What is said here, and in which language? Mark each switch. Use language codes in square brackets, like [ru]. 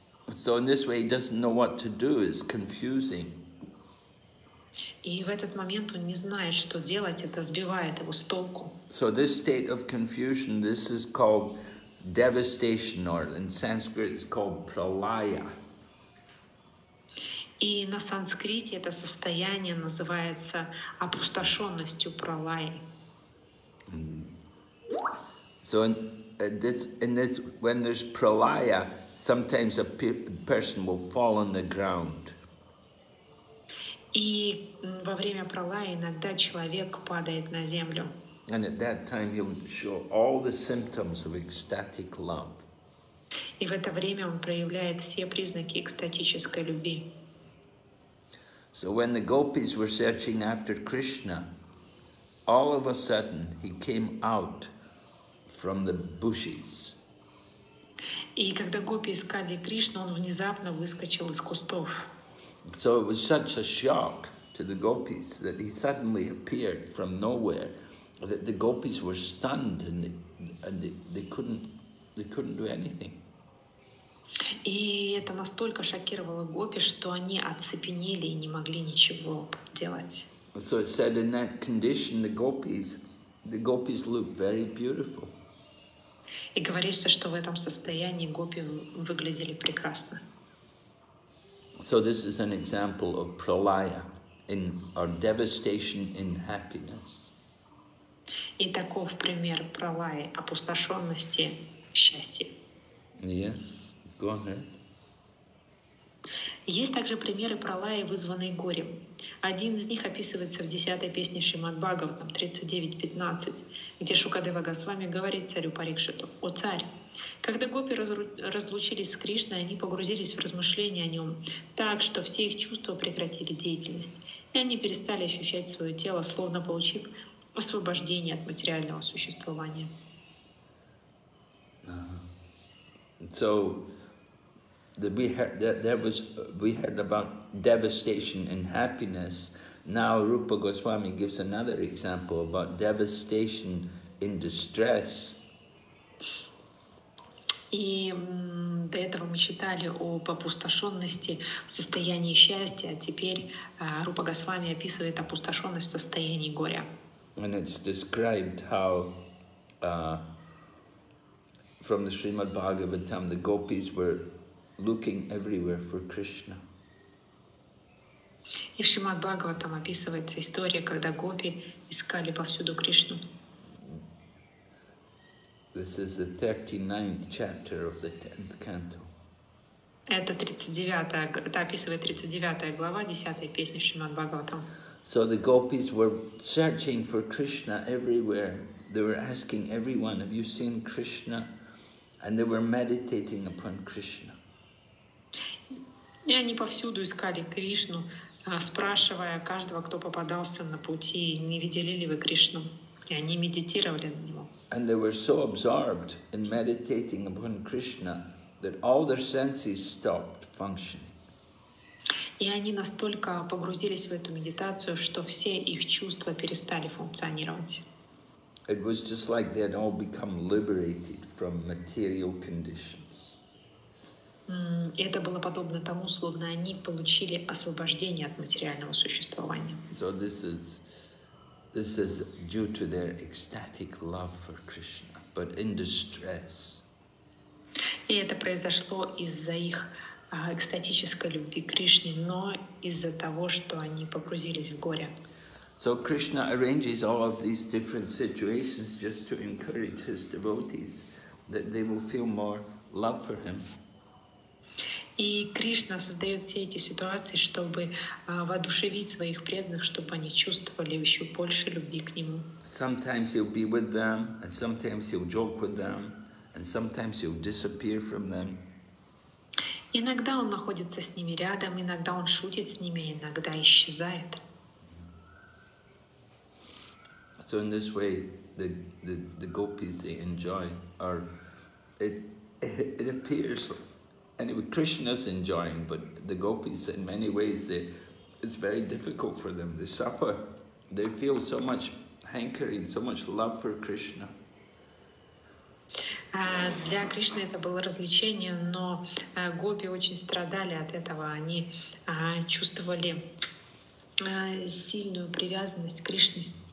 [en] So in this way he doesn't know what to do, it's confusing. [ru] И в этот момент он не знает, что делать, это сбивает его с толку. [en] So this state of confusion, this is called devastation, or in Sanskrit it's called pralaya. [ru] И на санскрите это состояние называется опустошенностью пралаи. [en] So in this, when there's pralaya, sometimes a person will fall on the ground. [ru] И во время пралаи иногда человек падает на землю. [en] And at that time he'll show all the symptoms of ecstatic love. [ru] И в это время он проявляет все признаки экстатической любви. [en] So when the gopis were searching after Krishna, all of a sudden he came out from the bushes. [ru] И когда гопи искали Кришну, он внезапно выскочил из кустов. [en] So it was such a shock to the gopis that he suddenly appeared from nowhere, that the gopis were stunned and they couldn't do anything. [ru] И это настолько шокировало гопи, что они оцепенели и не могли ничего делать. [en] So it said in that condition the gopis looked very beautiful. [ru] И говорится, что в этом состоянии гопи выглядели прекрасно. [en] So this is an example of pralaya, in our devastation in happiness. [ru] И таков пример пралаи, опустошенности в счастье. [en] Yeah. Go ahead. [ru] Есть также примеры пралаи, вызванные горем. Один из них описывается в 10-й песне Шримад-Бхагаватам, 39.15, где Шукадева Госвами говорит царю Парикшиту: «О царь, когда гопи разлучились с Кришной, они погрузились в размышления о нем так, что все их чувства прекратили деятельность, и они перестали ощущать свое тело, словно получив освобождение от материального существования». [en] Uh-huh. So... We heard about devastation and happiness. Now Rupa Goswami gives another example about devastation in distress. [ru] И до этого мы читали об опустошенности в состоянии счастья, а теперь Рупа Госвами описывает опустошенность в состоянии горя. [en] And it's described how from the Srimad Bhagavatam the gopis were looking everywhere for Krishna. [ru] И в Шримад-Бхагаватам описывается история, когда гопи искали повсюду Кришну. [en] This is the 39th chapter of the 10th canto. [ru] Это 39-я, это описывает 39-я глава 10-й песни Шримад-Бхагаватам. [en] So the gopis were searching for Krishna everywhere. They were asking everyone, "Have you seen Krishna?" And they were meditating upon Krishna. [ru] И они повсюду искали Кришну, спрашивая каждого, кто попадался на пути, не видели ли вы Кришну, и они медитировали на Него. [en] And they were so absorbed in meditating upon Krishna that all their senses stopped functioning. [ru] И они настолько погрузились в эту медитацию, что все их чувства перестали функционировать. [en] It was just like they had all become liberated from material conditions. [ru] Это было подобно тому, словно они получили освобождение от материального существования. [en] So this is due to their ecstatic love for Krishna, but in distress. [ru] И это произошло из-за их экстатической любви к Кришне, но из-за того, что они погрузились в горе. [en] So Krishna arranges all of these different situations just to encourage his devotees that they will feel more love for him. [ru] И Кришна создает все эти ситуации, чтобы воодушевить своих преданных, чтобы они чувствовали еще больше любви к нему. [en] Sometimes he'll be with them, and sometimes he'll joke with them, and sometimes he'll disappear from them. [ru] Иногда он находится с ними рядом, иногда он шутит с ними, иногда исчезает. [en] So in this way, the gopis they enjoy, or it appears. Anyway, Krishna's enjoying, but the gopis, in many ways, it's very difficult for them. They suffer. They feel so much hankering, so much love for Krishna. [ru] Для Кришны это было развлечение, но гопи очень страдали от этого. Они чувствовали сильную привязанность к Кришне.